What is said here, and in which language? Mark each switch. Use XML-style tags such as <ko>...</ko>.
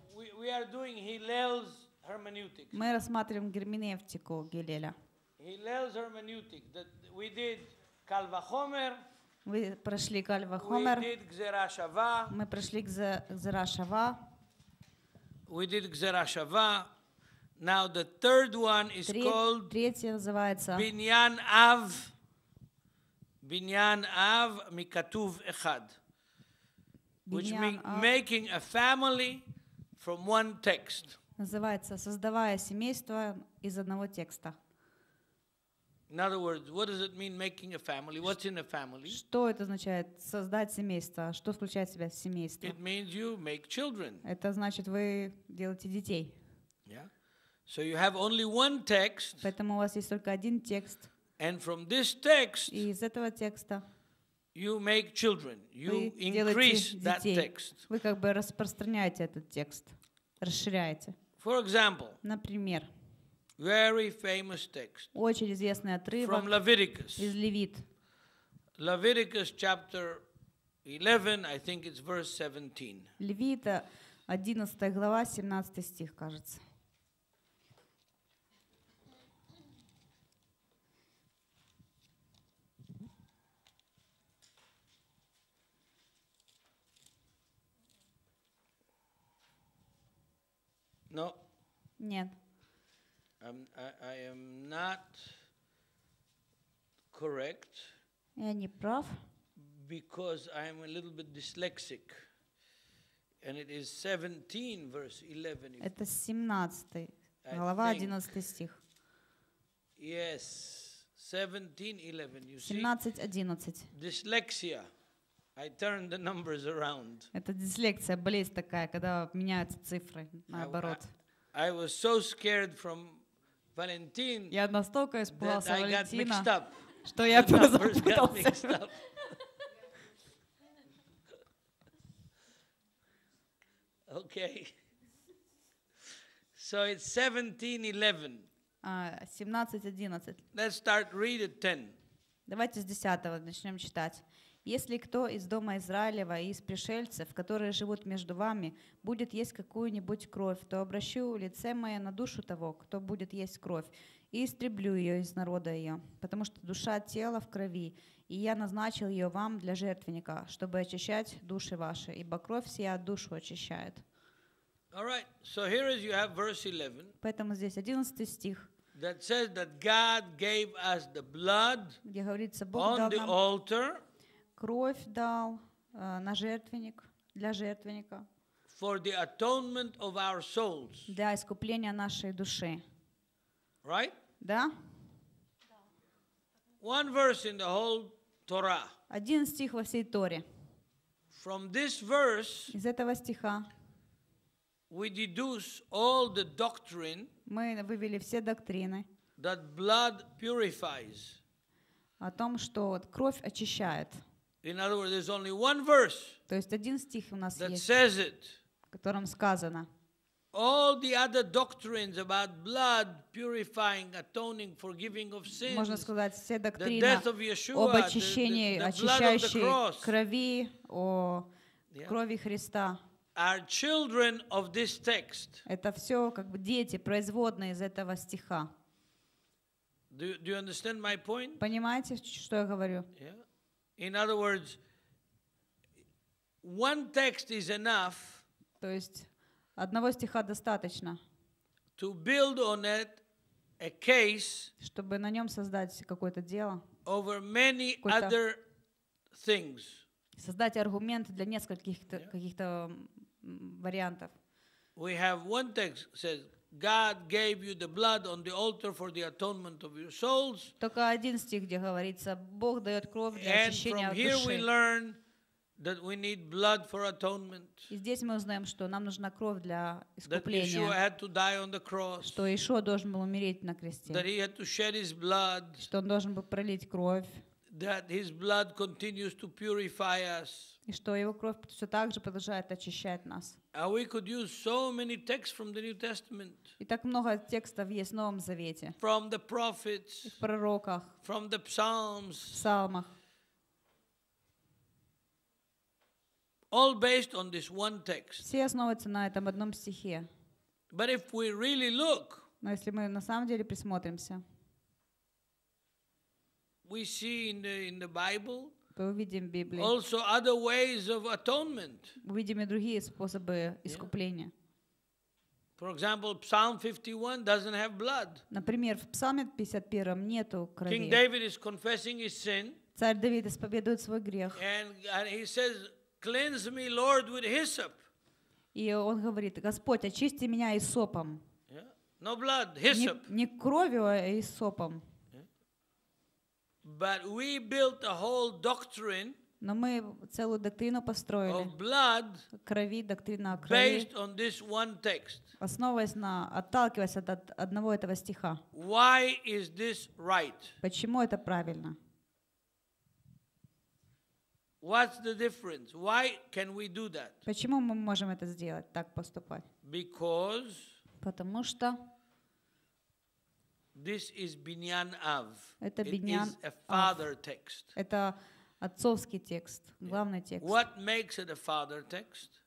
<en>We are doing Hillel's hermeneutics.</en> <ru>Мы рассматриваем герменевтику Гилеля.</ru> <en>Hillel's hermeneutic that we did Kal Vachomer.</en> <ru>Мы прошли Kal Vachomer.</ru> <en>We did Gzera Shava.</en> <ru>Мы прошли Gzera Shava.</ru> <en>We did Gzera Shava. Now the third one is called.</en> <ru>Третье называется.</ru> <he>Binyan Av. Binyan Av Mikatuv Echad.</he> <en>Which means making a family from one text.</en> <ru>Называется создавая семейство из одного текста.</ru> <en>In other words, what does it mean making a family? What's in a family?</en> <ru>Что это означает создать семейство? Что включает в себя семейство?</ru> <en>It means you make children.</en> <ru>Это значит вы делаете детей.</ru> <en>Yeah. So you have only one text.</en> <ru>Поэтому у вас есть только один текст.</ru> <en>And from this text.</en> <ru>И из этого текста.</ru> <en>You make children. You increase that text.</en> <ru>Вы как бы распространяете этот текст, расширяете.</ru> <en>For example.</en> <ru>Например.</ru> <en>Very famous text.</en> <ru>Очень известный отрывок.</ru> <en>From Leviticus.</en> <ru>Из Левит.</ru> <en>Leviticus chapter 11, I think it's verse 17.</en> <ru>Левита, 11 глава, 17 стих, кажется.</ru> <en>No.</en> <ru>Нет.</ru> <en>I am not correct.</en> <ru>Я не прав.</ru> <en>Because I am a little bit dyslexic. And it is 17 verse 11.</en> <ru>Это 17. Глава 11 стих.</ru> <en>Yes. 17:11. You</en> <ru>17:11.</ru> <en>See? Dyslexia. I turned the numbers around.</en> <ru>Это дислексия, болезнь такая, когда меняются цифры наоборот.</ru> <en>I was so scared from Valentin.</en> <ru>Я настолько испугался Валентина, что я запутался.</ru> <en>Okay. So it's 17:11.</en> <ru>17:11.</ru> <en>Let's start read at 10.</en> <ru>Давайте с 10 начнем читать. Если кто из дома Израилева и из пришельцев, которые живут между вами, будет есть какую-нибудь кровь, то обращу лице мое на душу того, кто будет есть кровь, и истреблю ее из народа ее, потому что душа тела в крови, и я назначил ее вам для жертвенника, чтобы очищать души ваши, ибо кровь сия душу очищает.</ru> <en>All right. So here is, you have verse 11.</en> <ru>Поэтому здесь 11 стих.</ru> <en>That says that God gave us the blood,</en> <ru>где говорится, Бог дал нам</ru> <en>on the altar.</en> <ru>Кровь дал на жертвенник, для жертвенника.</ru> <en>For the atonement of our souls.</en> <ru>Для искупления нашей души.</ru> <en>Right?</en> <ru>Да.</ru> <en>One verse in the whole Torah.</en> <ru>Один стих во всей Торе.</ru> <en>From this verse.</en> <ru>Из этого стиха.</ru> <en>We deduce all the doctrine.</en> <ru>Мы вывели все доктрины.</ru> <en>That blood purifies.</en> <ru>О том, что кровь очищает.</ru> <en>In other words, there's only one verse.</en> <ru>То есть один стих у нас есть.</ru> <en>That says it.</en> <ru>В котором сказано.</ru> <en>All the other doctrines about blood purifying, atoning, forgiving of sins.</en> <ru>Можно сказать, все доктрины об очищении, очищающей крови, о крови Христа.</ru> <en>Are children of this text.</en> <ru>Это все как бы дети, производные из этого стиха.</ru> <en>Do you understand my point?</en> <ru>Понимаете, что я говорю?</ru> <en>Yeah. In other words, one text is enough.</en> <ru>То есть одного стиха достаточно.</ru> <en>To build on it a case.</en> <ru>Чтобы на нем создать какое-то дело.</ru> <en>Over many other things.</en> <ru>Создать аргумент для нескольких каких-то вариантов.</ru> <en>We have one text says God gave you the blood on the altar for the atonement of your souls.</en> <ru>Только один стих, где говорится, Бог дает кровь для очищения души.</ru> <en>And from here we learn that we need blood for atonement.</en> <ru>И здесь мы узнаем, что нам нужна кровь для искупления.</ru> <en>That Yeshua had to die on the cross.</en> <ru>Что Иешуа должен был умереть на кресте.</ru> <en>That he had to shed his blood.</en> <ru>Что он должен был пролить кровь.</ru> <en>That his blood continues to purify us.</en> <ru>И что его кровь все так же продолжает очищать нас.</ru> <en>We could use so many texts from the New Testament.</en> <ru>И так много текстов есть в Новом Завете.</ru> <en>From the prophets.</en> <ru>В пророках.</ru> <en>From the psalms.</en> <ru>В псалмах.</ru> <en>All based on this one text.</en> <ru>Все основываются на этом одном стихе.</ru> <en>But if we really look,</en> <ru>но если мы на самом деле присмотримся,</ru> <en>we see in the Bible,</en> <ru>мы увидим в Библии,</ru> <en>also other ways of atonement.</en> <ru>Увидим и другие способы искупления.</ru> <en>For example, Psalm 51 doesn't have blood.</en> <ru>Например, в Псалме 51 нету крови.</ru> <en>King David is confessing his sin.</en> <ru>Царь Давид исповедует свой грех.</ru> <en>And he says, "Cleanse me, Lord, with hyssop."</en> <ru>И он говорит: Господь, очисти меня иссопом.</ru> <en>Yeah. No blood, hyssop.</en> <ru>Не кровью, а иссопом.</ru> <en>But we built a whole doctrine.</en> <ru>Но мы целую доктрину построили.</ru> <en>Of blood,</en> <ru>крови, доктрина о крови.</ru> <en>Based on this one text.</en> <ru>Основываясь на, отталкиваясь от одного этого стиха.</ru> <en>Why is this right?</en> <ru>Почему это правильно?</ru> <en>What's the difference? Why can we do that?</en> <ru>Почему мы можем это сделать, так поступать?</ru> <en>Because.</en> <ru>Потому что.</ru> <en>This is Binyan Av.</en> <ru>Это Binyan</ru> <en>Av. It is a father text.</en> <ru>Это отцовский текст, главный текст.</ru> <en>What makes it a father text?</en>